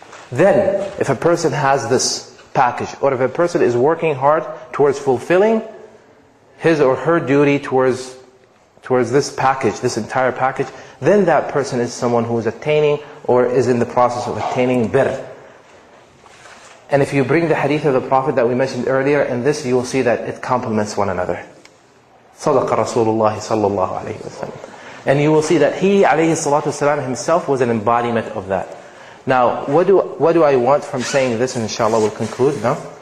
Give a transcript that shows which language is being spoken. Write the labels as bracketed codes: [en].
[en] Then, if a person has this package, or if a person is working hard towards fulfilling his or her duty towards this package, this entire package, then that person is someone who is attaining or is in the process of attaining birr. And if you bring the hadith of the Prophet that we mentioned earlier in this, you will see that it complements one another. [ar] صدق رسول الله صلى الله عليه وسلم. [en] And you will see that he, [ar] عليه الصلاة والسلام, [en] himself was an embodiment of that. Now, what do I want from saying this, and inshallah we'll conclude, no?